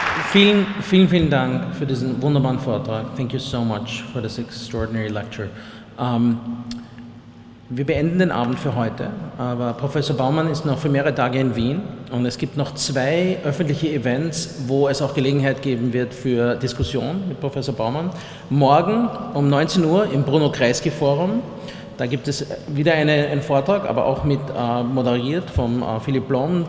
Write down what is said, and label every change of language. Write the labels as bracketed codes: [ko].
[de] Vielen, vielen, vielen Dank für diesen wunderbaren Vortrag. [en] Thank you so much for this extraordinary lecture. [de] Wir beenden den Abend für heute, aber Professor Bauman ist noch für mehrere Tage in Wien und es gibt noch zwei öffentliche Events, wo es auch Gelegenheit geben wird für Diskussion mit Professor Bauman. Morgen um 19 Uhr im Bruno-Kreisky-Forum. Da gibt es wieder einen Vortrag, aber auch mit moderiert vom Philipp Blom.